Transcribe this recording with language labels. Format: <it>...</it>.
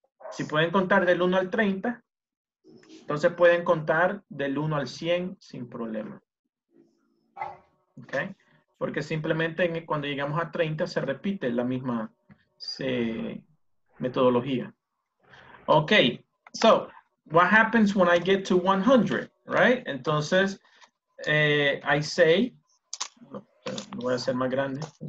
<es>Si pueden contar del 1 al 30, entonces pueden contar del 1 al 100 sin problema. Okay. Porque simplemente cuando llegamos a 30 se repite la misma metodología.</es> <en>Okay, so what happens when I get to 100, right?</en> <es>Entonces,</es> <en>I say,</en> <es>lo voy a hacer más grande.</es>